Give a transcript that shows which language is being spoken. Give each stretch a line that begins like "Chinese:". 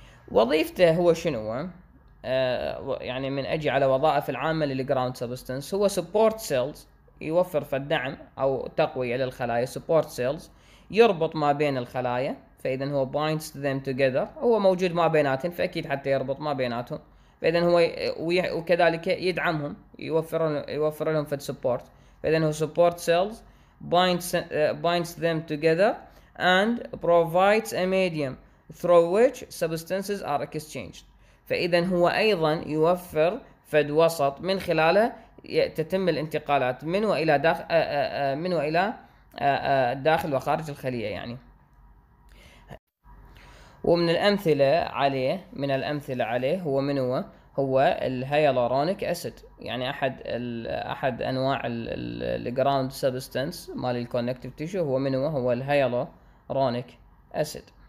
Arabic: وظيفته هو شنو؟ يعني من أجي على وظائف العامة للجراوند سبستنس، هو سبورت سيلز، يوفر في الدعم أو تقوية للخلايا، سبورت سيلز يربط ما بين الخلايا، فإذا هو
English: binds them together،
Arabic: هو موجود ما بيناتهم، فأكيد حتى يربط ما بيناتهم، فإذا هو وكذلك يدعمهم، يوفر لهم فد سبورت. فإذا هو سبورت سيلز
English: binds them together and provides a medium through which substances are exchanged.
Arabic: فإذا هو أيضا يوفر فد وسط من خلاله تتم الانتقالات من وإلى داخل من وإلى داخل وخارج الخلية يعني. ومن الأمثلة عليه من الأمثلة عليه هو من هو؟ هو الهيالورونيك أسيد، يعني أحد أنواع الجراوند سبستنس مال الكونكتيف تيشو هو من هو؟ هو الهيالورونيك أسيد.